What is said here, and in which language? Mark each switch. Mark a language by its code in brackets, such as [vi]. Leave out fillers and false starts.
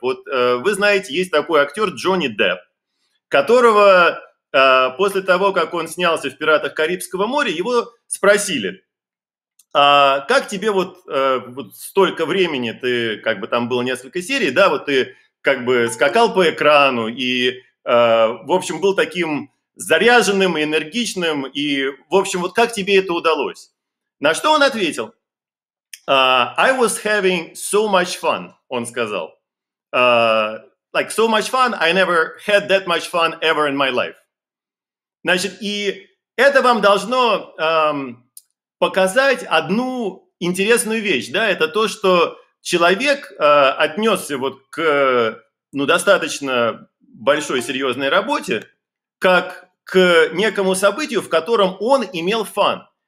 [ru] Вот вы знаете, есть такой актер Джонни Депп, которого после того, как он снялся в «Пиратах Карибского моря», его спросили: а как тебе вот столько времени, ты как бы там было несколько серий, да, вот ты как бы скакал по экрану и, в общем, был таким заряженным и энергичным, и, в общем, вот как тебе это удалось? На что он ответил? [en] I was having so much fun, [ru] он сказал. [en] Like, so much fun, I never had that much fun ever in my life. [ru] Значит, и это вам должно показать одну интересную вещь, да, это то, что человек отнесся вот к, ну, достаточно большой серьезной работе, как к некому событию, в котором он имел фан.